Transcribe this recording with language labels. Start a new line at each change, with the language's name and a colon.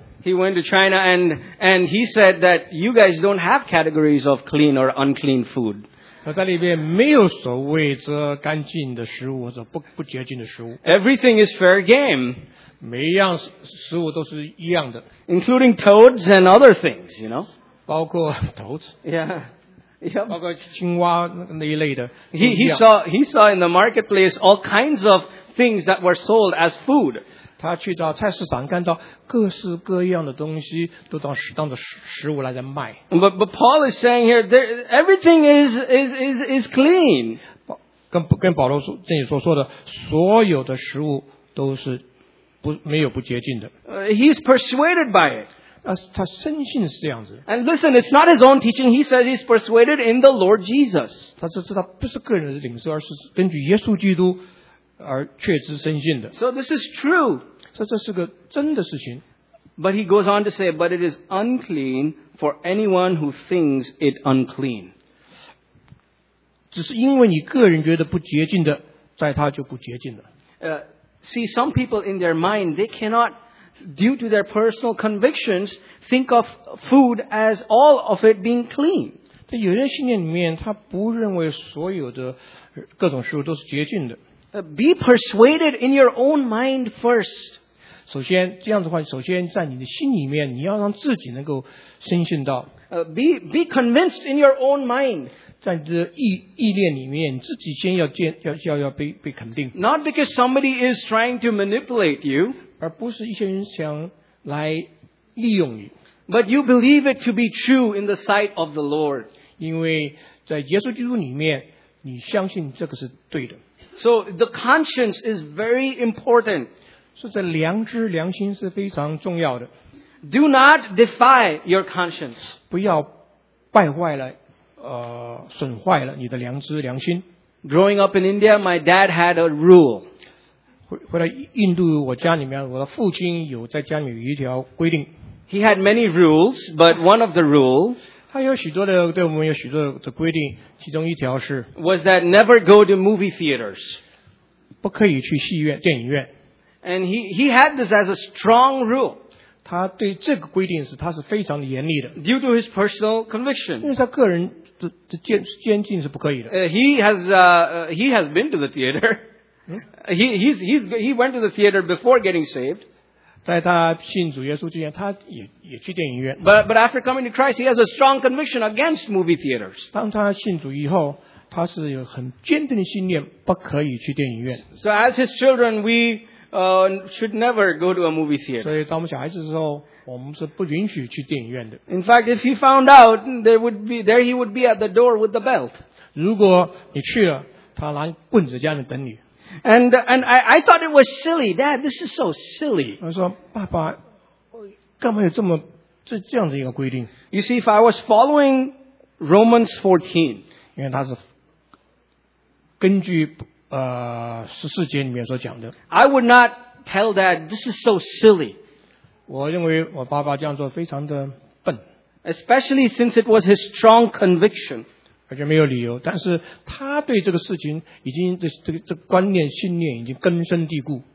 English: He went to China and he said that you guys don't have categories of clean or unclean food.
Chinese: 在里面没有所谓这干净的食物或者不洁净的食物。
English: Everything is fair game.
Chinese: 每一样食物都是一样的。
English: Including toads and other things, you know.
Chinese: 包括 toads.
English: Yeah. Yep.
Chinese: 包括青蛙那一类的。
English: He saw in the marketplace all kinds of things that were sold as food.
Chinese: 他去到菜市场看到各式各样的东西都当食物来在卖。
English: But Paul is saying here, everything is clean.
Chinese: 跟保罗这里说的所有的食物都是没有不洁净的。
English: He's persuaded by it.
Chinese: 他深信是这样子。
English: And listen, it's not his own teaching. He says he's persuaded in the Lord Jesus.
Chinese: 他这知道不是个人的领受而是根据耶稣基督而确知深信的。
English: So this is true.
Chinese: 所以这是个真的事情。
English: But he goes on to say, but it is unclean for anyone who thinks it unclean.
Chinese: 只是因为你个人觉得不洁净的，在他就不洁净了。
English: See, some people in their mind, they cannot, due to their personal convictions, think of food as all of it being clean.
Chinese: 在有些信念里面，他不认为所有的各种食物都是洁净的。
English: Be persuaded in your own mind first.
Chinese: 首先这样的话首先在你的心里面你要让自己能够深信到。
English: Be convinced in your own mind.
Chinese: 在你的意念里面自己先要被肯定。
English: Not because somebody is trying to manipulate you.
Chinese: 而不是一些人想来利用你。
English: But you believe it to be true in the sight of the Lord.
Chinese: 因为在耶稣基督里面你相信这个是对的。
English: So the conscience is very important.
Chinese: 所以这良知良心是非常重要的。
English: Do not defy your conscience.
Chinese: 不要败坏了损坏了你的良知良心。
English: Growing up in India, my dad had a rule.
Chinese: 回到印度我家里面我的父亲有在家里面有一条规定。
English: He had many rules, but one of the rules was that never go to movie theaters.
Chinese: 不可以去戏院电影院。
English: And he had this as a strong rule.
Chinese: 他对这个规定是他是非常严厉的。
English: Due to his personal conviction.
Chinese: 因为他个人的坚信是不可以的。
English: He has been to the theater. He went to the theater before getting saved.
Chinese: 在他信主耶稣之前他也去电影院。
English: But after coming to Christ, he has a strong conviction against movie theaters.
Chinese: 当他信主以后他是有很坚定的信念不可以去电影院。
English: So as his children, we, should never go to a movie theater.
Chinese: 所以当我们小孩子的时候我们是不允许去电影院的。
English: In fact, if he found out, there he would be at the door with the belt.
Chinese: 如果你去了他拿棍子在那等你。
English: And I thought it was silly. Dad, this is so silly.
Chinese: 我说爸爸干嘛有这样的一个规定。
English: You see, if I was following Romans 14,
Chinese: 因为他是根据十四节里面所讲的。
English: I would not tell dad, this is so silly.
Chinese: 我认为我爸爸这样做非常的笨。
English: Especially since it was his strong conviction.
Chinese: 而且没有理由，但是他对这个事情已经这个观念信念已经根深蒂固。